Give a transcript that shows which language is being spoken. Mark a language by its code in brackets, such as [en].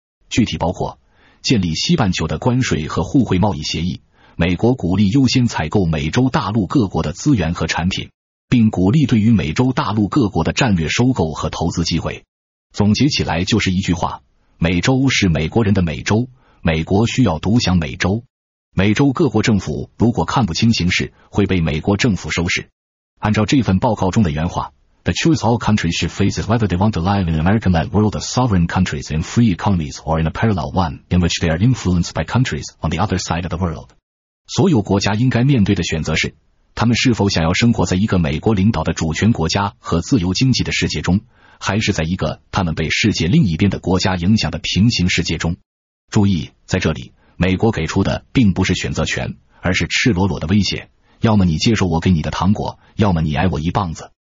[zh] 具体包括建立西半球的关税和互惠贸易协议，美国鼓励优先采购美洲大陆各国的资源和产品，并鼓励对于美洲大陆各国的战略收购和投资机会。总结起来就是一句话，美洲是美国人的美洲，美国需要独享美洲。美洲各国政府如果看不清形势，会被美国政府收拾。按照这份报告中的原话， [en] The choice all countries should face is whether they want to live in an American-led world of sovereign countries in free economies or in a parallel one in which they are influenced by countries on the other side of the world。 [zh] 所有国家应该面对的选择是，他们是否想要生活在一个美国领导的主权国家和自由经济的世界中，还是在一个他们被世界另一边的国家影响的平行世界中。注意，在这里，美国给出的并不是选择权，而是赤裸裸的威胁，要么你接受我给你的糖果，要么你挨我一棒子。